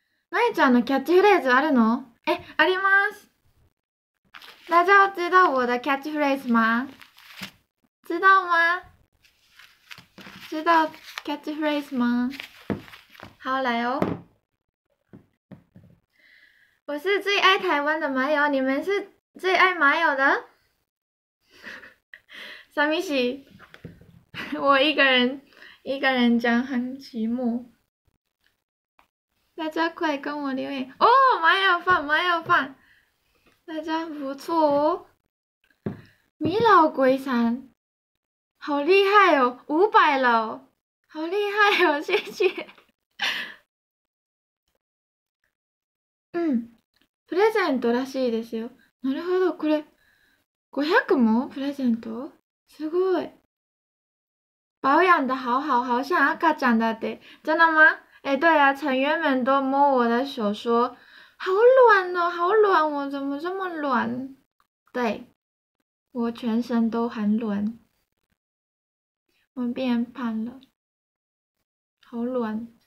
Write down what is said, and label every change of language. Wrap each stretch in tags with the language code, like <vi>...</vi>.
<ja>まゆちゃんのキャッチフレーズあるの？え、あります。</ja> <zh>大家知道我的キャッチフレーズ吗？知道吗？知道キャッチフレーズ吗？好来哦。我是最爱台湾的麻友，你们是最爱麻友的？</zh> <ja>寂しい。</ja> <zh>我一个人。一个人讲很寂寞，大家快跟我留言哦！麻友饭，麻友饭，大家不错哦。米老鬼三，好厉害哦，500了，好厉害哦，谢谢。</zh> <ja>嗯，プレゼントらしいですよ。なるほど、これ500もプレゼント？すごい。</ja> <zh>保养的好好，好像阿卡讲的的，真的吗？哎，对啊，成员们都摸我的手说，好暖哦，好暖，我怎么这么暖？对，我全身都很暖，我变胖了，好暖。</zh>